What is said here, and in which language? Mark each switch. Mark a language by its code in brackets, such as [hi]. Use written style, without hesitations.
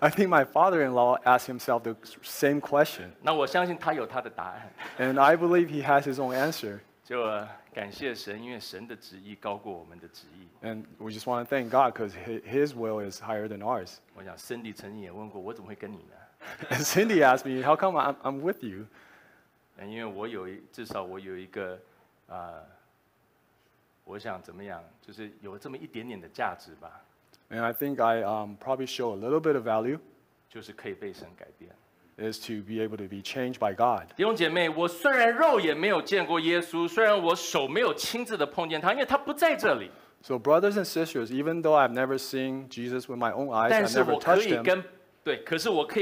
[en] I think my father-in-law asked himself the same question. [zh] 那我相信他有他的答案。And [en] I believe he has his own answer. [zh] 就感谢神，因为神的旨意高过我们的旨意。And [en] we just want to thank God because his will is higher than ours. [zh] 我想Cindy曾经也问过，我怎么会跟你呢？ [en] And Cindy asked me, how come I'm with you? [zh] 因为我有，至少我有一个， 我想怎么样，就是有这么一点点的价值吧。 [en] And I think I probably show a little bit of value. [zh] 就是可以被神改变。 [en] Is to be able to be changed by God. [zh] 弟兄姐妹，我虽然肉眼没有见过耶稣，虽然我手没有亲自的碰见他，因为他不在这里。 [en] So brothers and sisters, even though I've never seen Jesus with my own eyes, I never touched him.